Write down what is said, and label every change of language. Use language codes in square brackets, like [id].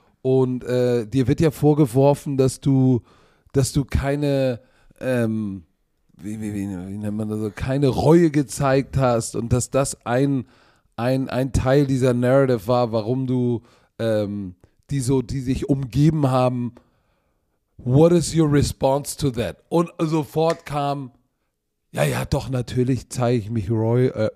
[de] Und dir wird ja vorgeworfen, dass du keine, wie nennt man das so, keine Reue gezeigt hast und dass das ein Teil dieser Narrative war, warum du die sich umgeben haben. [en] What is your response to that? [de] Und sofort kam, ja, doch, natürlich zeige ich mich reuig.